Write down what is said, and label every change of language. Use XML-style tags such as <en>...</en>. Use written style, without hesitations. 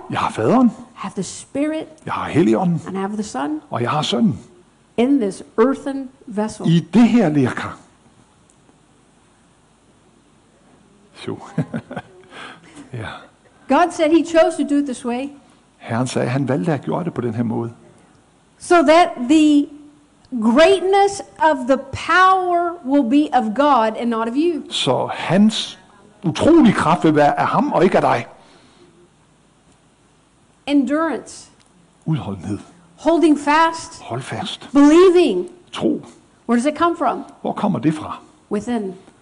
<da>Jeg har Faderen.</da> <en>I have the Spirit.</en> <da>Jeg har Helligånden.</da> <en>And I have the Son.</en> <da>Og jeg har Sønnen.</da> <en>In this earthen vessel.</en> <da>I det her lerkar. Jo. Ja.</da> <en>God said he chose to do it this way.</en> <da>Herren sagde, han valgte at gøre det på den her måde.</da> <en>So that the greatness of the power will be of God and not of you.</en> <da>Så hans utrolige kraft vil være af ham og ikke af dig.</da> <en>Endurance.</en> <da>Udholdenhed.</da> <en>Holding fast.</en> <da>Hold fast.</da> <en>Believing.</en> <da>Tro.</da> <en>Where does it come from?</en> <da>Hvor kommer det fra?</da> <en>Within.</en>